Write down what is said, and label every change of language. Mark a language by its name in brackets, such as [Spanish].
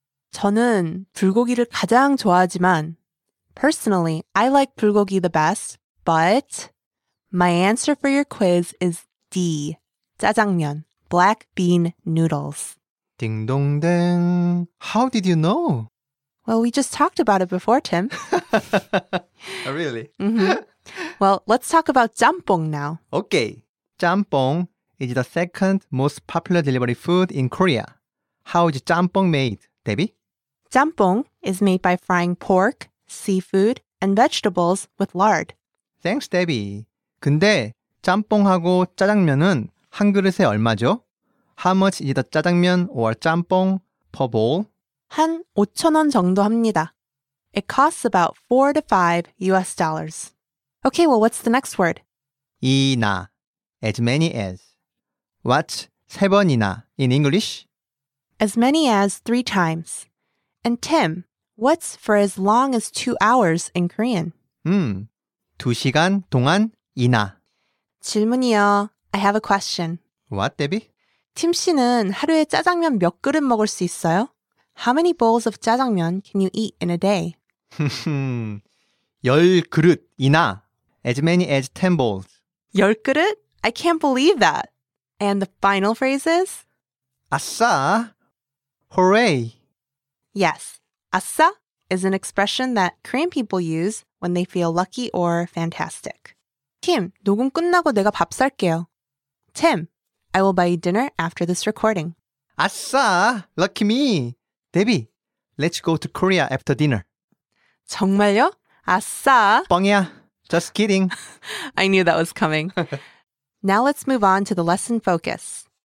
[Korean] 저는 불고기를 가장 좋아하지만 [English] Personally, I like 불고기 the best, but my answer for your quiz is D. 짜장면 Black bean noodles. Ding dong dang. How did you know? Well, we just talked about it before, Tim. Really? Mm-hmm. Well, let's talk about jjampong now. Okay. Jjampong is the second most popular delivery food in Korea. How is jjampong made, Debbie? Jjampong is made by frying pork, seafood, and vegetables with lard. Thanks, Debbie. [Korean] 근데 짬뽕하고 짜장면은 한 그릇에 얼마죠? [English] How much is the 짜장면 or 짬뽕 per bowl? [Korean] 한 5,000원 정도 합니다. [English] It costs about 4 to 5 US dollars. Okay, well, what's the next word? 이나, as many as. What's 세 번이나 in English? As many as 3 times. And Tim, what's for as long as 2 hours in Korean? [Korean] 2시간 동안 이나. 질문이요. [English] I have a question. What, Debbie? [Korean] 팀 씨는 하루에 짜장면 몇 그릇 먹을 수 있어요? [English] How many bowls of 짜장면 can you eat in a day? [Korean] 열 그릇이나 [English] as many as 10 bowls. [Korean] 열 그릇? [English] I can't believe that. And the final phrase is? [Korean] 아싸! [English] Hooray! Yes, 아싸 is an expression that Korean people use when they feel lucky or fantastic. [Korean] 팀, 녹음 끝나고 내가 밥 살게요. [English] Tim, I will buy you dinner after this recording. 아싸! Lucky me! Debbie, let's go to Korea after dinner. [Korean] 정말요? 아싸! 뻥이야! [English] Just kidding! I knew that was coming. Now let's move on to the lesson focus.